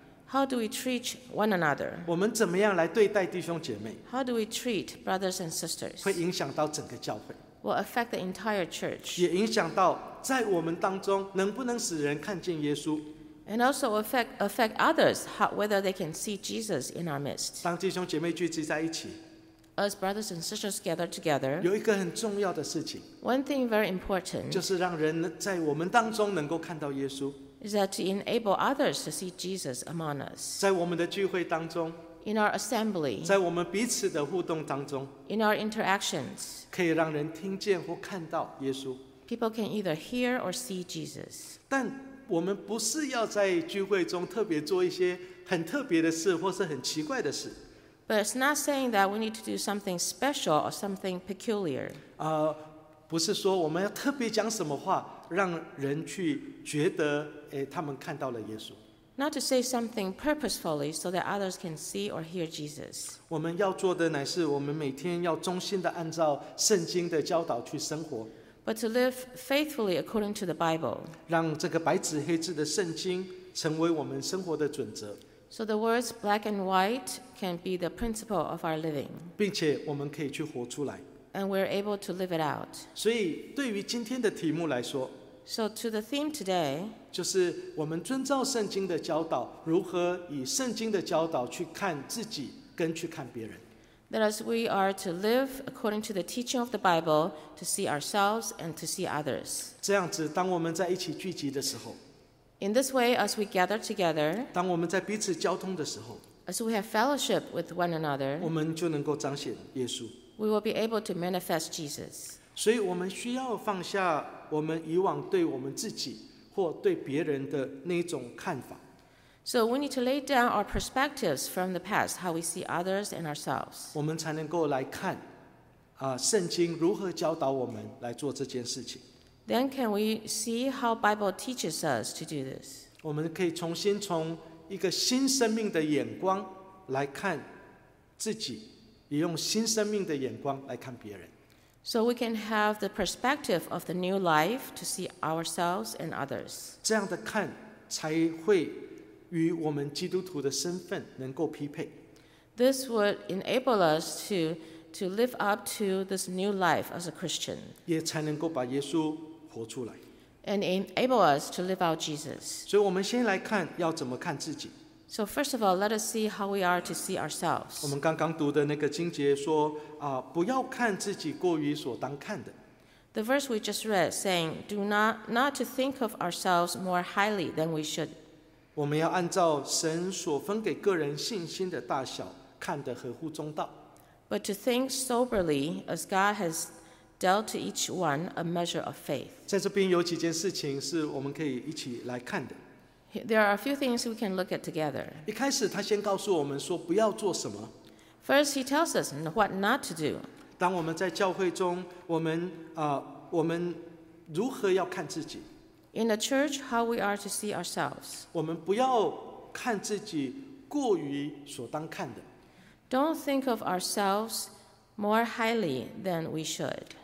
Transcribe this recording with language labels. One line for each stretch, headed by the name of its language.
English: How do we treat one another?
Chinese: 我们怎么样来对待弟兄姐妹？
English: How do we treat brothers and sisters?
Chinese: 会影响到整个教会。
English: will affect the entire church.
Chinese: 也影响到在我们当中能不能使人看见耶稣。
English: And also affect others, whether they can see Jesus in our midst.
Chinese: 当弟兄姐妹聚集在一起。
English: As brothers and sisters gather together,
Chinese: 有一个很重要的事情。
English: One thing very important,
Chinese: 就是让人在我们当中能够看到耶稣。
English: Is that to enable others to see Jesus among us.
Chinese: 在我们的聚会当中。
English: In our assembly,
Chinese: 在我们彼此的互动当中。
English: In our interactions,
Chinese: 可以让人听见或看到耶稣。
English: People can either hear or see Jesus.
Chinese: 但我们不是要在聚会中特别做一些很特别的事或是很奇怪的事。
English: But it's not saying that we need to do something special or something peculiar.
Chinese: 不是说我们要特别讲什么话让人去觉得他们看到了耶稣。
English: Not to say something purposefully so that others can see or hear Jesus.
Chinese: 我们要做的乃是我们每天要忠心地按照圣经的教导去生活。
English: But to live faithfully according to the Bible.
Chinese: 让这个白纸黑字的圣经成为我们生活的准则。
English: So the words black and white can be the principle of our living.
Chinese: 并且我们可以去活出来。
English: And we're able to live it out.
Chinese: 所以对于今天的题目来说。
English: So to the theme today.
Chinese: 就是我们遵照圣经的教导，如何以圣经的教导去看自己，跟去看别人。
English: That is, we are to live according to the teaching of the Bible to see ourselves and to see others.
Chinese: 这样子，当我们在一起聚集的时候。
English: In this way, as we gather together,
Chinese: 当我们在彼此交通的时候,
English: as we have fellowship with one another,
Chinese: 我们就能够彰显耶稣,
English: we will be able to manifest Jesus.
Chinese: 所以我们需要放下我们以往对我们自己或对别人的那种看法。
English: So we need to lay down our perspectives from the past, how we see others and ourselves.
Chinese: 我们才能够来看, 圣经如何教导我们来做这件事情。
English: Then can we see how Bible teaches us to do this?
Chinese: 我们可以重新从一个新生命的眼光来看自己，也用新生命的眼光来看别人。
English: So we can have the perspective of the new life to see ourselves and others.
Chinese: 这样的看才会与我们基督徒的身份能够匹配。
English: This would enable us to live up to this new life as a Christian.
Chinese: 也才能够把耶稣活出来。
English: And enable us to live out Jesus.
Chinese: 所以我们先来看要怎么看自己。
English: So first of all, let us see how we are to see ourselves.
Chinese: 我们刚刚读的那个经节说，不要看自己过于所当看的。
English: The verse we just read saying, do not to think of ourselves more highly than we should.
Chinese: 我们要按照神所分给个人信心的大小，看得合乎中道。
English: But to think soberly as God has dealt to each one a measure of faith.
Chinese: 在这边有几件事情是我们可以一起来看的。
English: There are a few things we can look at together.
Chinese: 一开始他先告诉我们说不要做什么。
English: First, he tells us what not to do.
Chinese: 当我们在教会中，我们如何要看自己。
English: In the church, how we are to see ourselves.
Chinese: 我们不要看自己过于所当看的。
English: Don't think of ourselves more highly than we should.